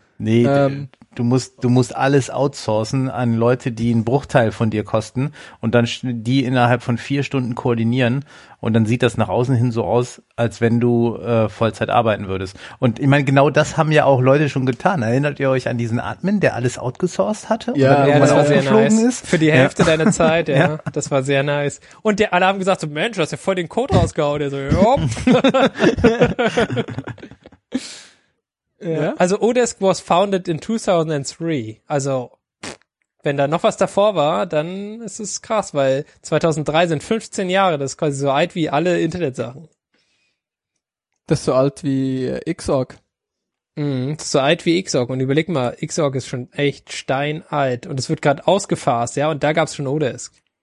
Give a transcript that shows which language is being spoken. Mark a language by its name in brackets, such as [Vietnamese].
[German] Nee, du musst alles outsourcen an Leute, die einen Bruchteil von dir kosten und dann die innerhalb von 4 Stunden koordinieren und dann sieht das nach außen hin so aus, als wenn du Vollzeit arbeiten würdest. Und ich meine, genau das haben ja auch Leute schon getan. Erinnert ihr euch an diesen Admin, der alles outgesourced hatte? Ja, das war sehr nice. Für die Hälfte deiner Zeit, ja. Das war sehr nice. Und alle haben gesagt so, Mensch, du hast ja voll den Code rausgehauen. Der so, jopp. Ja. [English] Also Odesk was founded in 2003. [German] Also wenn da noch was davor war, dann ist es krass, weil 2003 sind 15 Jahre. Das ist quasi so alt wie alle Internetsachen. Das ist so alt wie Xorg. Das ist so alt wie Xorg. Und überleg mal, Xorg ist schon echt steinalt. Und es wird gerade ausgefasst, ja? Und da gab es schon Odesk.